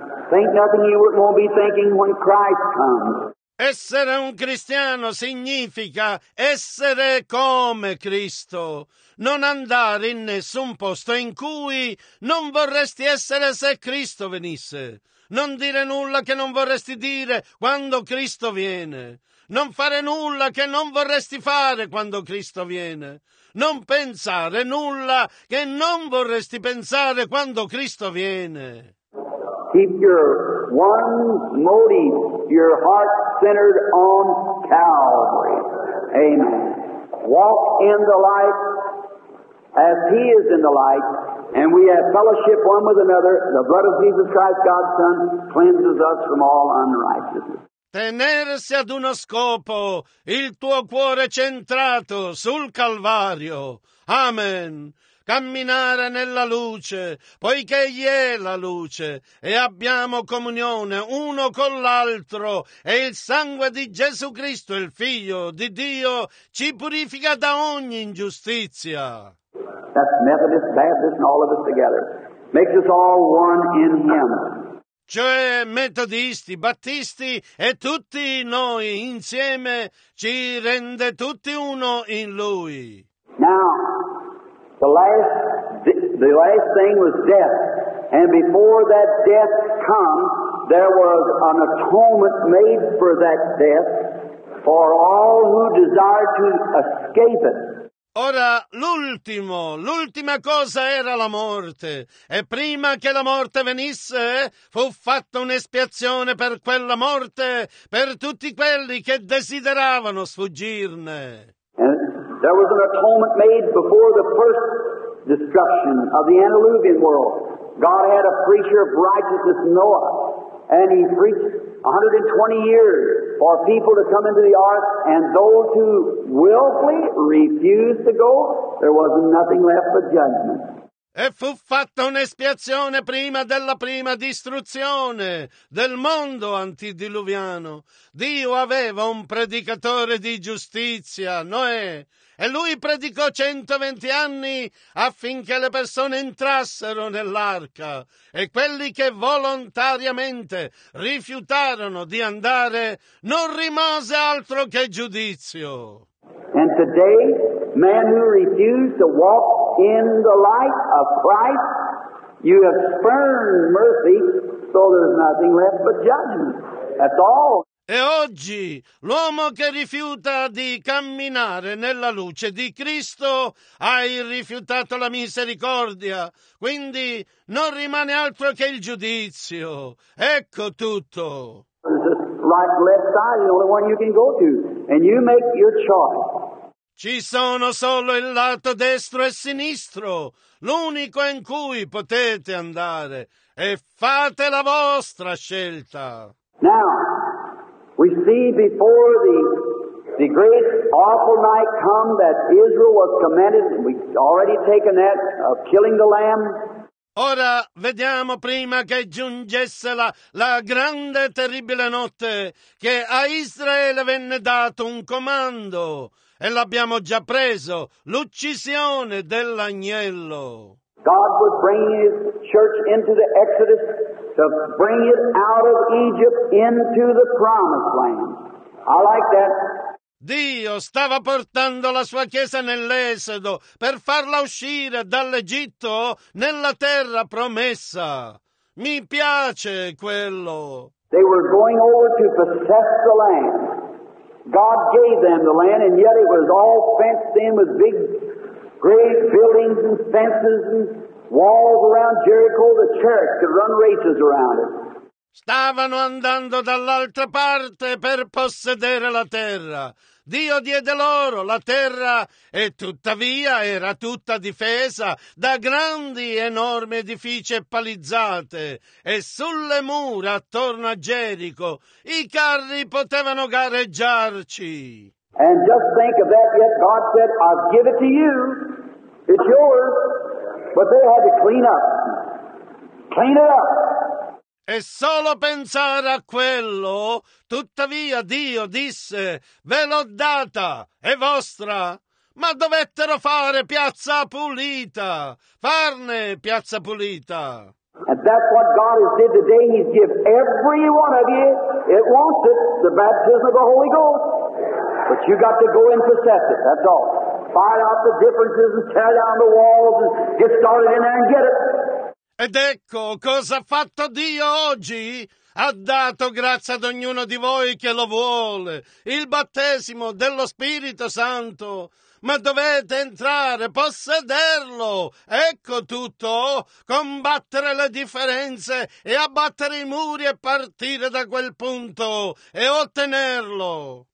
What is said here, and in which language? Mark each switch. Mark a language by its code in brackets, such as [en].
[en] Think nothing you wouldn't want to be thinking when Christ comes. [it] Essere un cristiano significa essere come Cristo. Non andare in nessun posto in cui non vorresti essere se Cristo venisse. Non dire nulla che non vorresti dire quando Cristo viene. Non fare nulla che non vorresti fare quando Cristo viene. Non pensare nulla che non vorresti pensare quando Cristo viene. [en] Keep your one motive, your heart centered on Calvary. Amen. Walk in the light as He is in the light, and we have fellowship one with another. The blood of Jesus Christ, God's Son, cleanses us from all unrighteousness. [it] Tenersi ad uno scopo, il tuo cuore centrato sul Calvario. Amen. Camminare nella luce, poiché egli è la luce, e abbiamo comunione uno con l'altro, e il sangue di Gesù Cristo, il Figlio di Dio, ci purifica da ogni ingiustizia. [en] That's Methodist, Baptist, and all of us together. Makes us all one in Him. [it] Cioè metodisti, battisti e tutti noi insieme ci rende tutti uno in Lui. [en] Now, the last thing was death. And before that death come, there was an atonement made for that death for all who desired to escape it. [it] Ora, l'ultima cosa era la morte, e prima che la morte venisse, fu fatta un'espiazione per quella morte, per tutti quelli che desideravano sfuggirne. [en] And there was an atonement made before the first destruction of the Antediluvian world. God had a preacher of righteousness, Noah, and he preached 120 years for people to come into the ark, and those who willfully refused to go, there was nothing left but judgment. [it] E fu fatta un'espiazione prima della prima distruzione del mondo antidiluviano. Dio aveva un predicatore di giustizia, Noè, e lui predicò 120 anni affinché le persone entrassero nell'arca, e quelli che volontariamente rifiutarono di andare non rimase altro che giudizio. [en] And today, man who refused to walk in the light of Christ, you have spurned mercy, so there's nothing left but judgment. That's all. [it] E oggi, l'uomo che rifiuta di camminare nella luce di Cristo, hai rifiutato la misericordia, quindi non rimane altro che il giudizio. Ecco tutto. [en] Right, left side, the only one you can go to, and you make your choice. [it] Ci sono solo il lato destro e sinistro, l'unico in cui potete andare, e fate la vostra scelta. [en] Now, we see before the great awful night come that Israel was commanded, we've already taken that, of killing the lamb. [it] Ora vediamo prima che giungesse la grande e terribile notte che a Israele venne dato un comando e l'abbiamo già preso, l'uccisione dell'agnello. [en] God was bringing his church into the Exodus to bring it out of Egypt into the promised land. I like that. [it] Dio stava portando la sua chiesa nell'Esodo per farla uscire dall'Egitto nella terra promessa. Mi piace quello. [en] They were going over to possess the land. God gave them the land, and yet it was all fenced in with big great buildings and fences and walls around Jericho, the church could run races around it. [it] Stavano andando dall'altra parte per possedere la terra. Dio diede loro la terra e tuttavia era tutta difesa da grandi enormi edifici e palizzate e sulle mura attorno a Gerico i carri potevano gareggiarci. [en] And just think of that, yet God said, I'll give it to you, it's yours, but they had to clean it up. [it] E solo pensare a quello, tuttavia Dio disse, ve l'ho data, è vostra, ma dovettero fare piazza pulita, farne piazza pulita. [en] And that's what God has did today, he's given every one of you, it wants it, the baptism of the Holy Ghost, but you got to go and possess it, that's all. Fight out the differences and tear down the walls and get started in there and get it. [it] Ed ecco cosa ha fatto Dio oggi. Ha dato grazia ad ognuno di voi che lo vuole, il battesimo dello Spirito Santo. Ma dovete entrare, possederlo. Ecco tutto, combattere le differenze e abbattere i muri e partire da quel punto e ottenerlo.